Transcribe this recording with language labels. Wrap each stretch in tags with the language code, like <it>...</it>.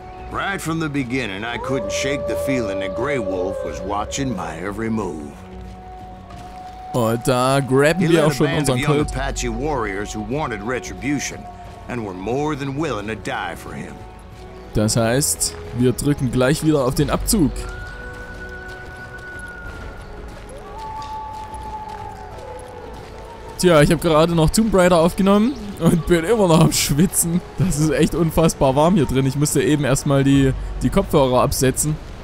<en>Right from the beginning, I couldn't shake the feeling that Grey Wolf was watching my every move.</en> <de>Und da grabben wir auch schon unseren Colt.</de> <en>Young Apache warriors who wanted retribution and were more than willing to die for him.</en> <de>Das heißt, wir drücken gleich wieder auf den Abzug. Tja, ich habe gerade noch Tomb Raider aufgenommen und bin immer noch am Schwitzen. Das ist echt unfassbar warm hier drin. Ich musste eben erstmal die Kopfhörer absetzen.</de>